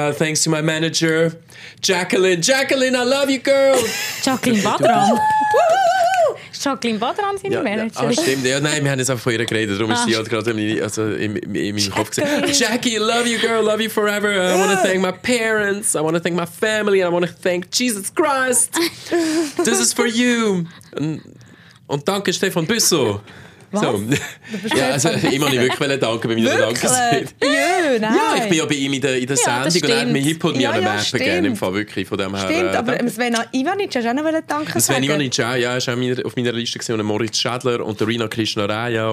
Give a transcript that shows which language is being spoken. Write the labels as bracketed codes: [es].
[en] Thanks to my manager, Jacqueline. Jacqueline, I love you, girl. [de] Jacqueline Badran. Jacqueline Badran, seine Manager. Ah, stimmt. Ja, nein, wir haben jetzt einfach von ihr geredet. Darum ist sie halt gerade in meinem Kopf gesehen. [en] Jackie, love you, girl. Love you forever. I want to thank my parents. I want to thank my family. And I want to thank Jesus Christ. This is for you. [de] Und danke, Stefan Büssow. Was? So. Ja, also, ich wollte wirklich danken bei meiner Dankesrede. Ja, ich bin ja bei ihm in der Sendung, ja, und er hat mir Hip und mir an den Mappen gegeben, im Fall wirklich von dem her. Stimmt, aber Sven Ivanic hast du auch noch danken sagen. Sven Ivanic auch, ja, ist auch auf meiner Liste gesehen, und Moritz Schädler und Rina Krishnaraya.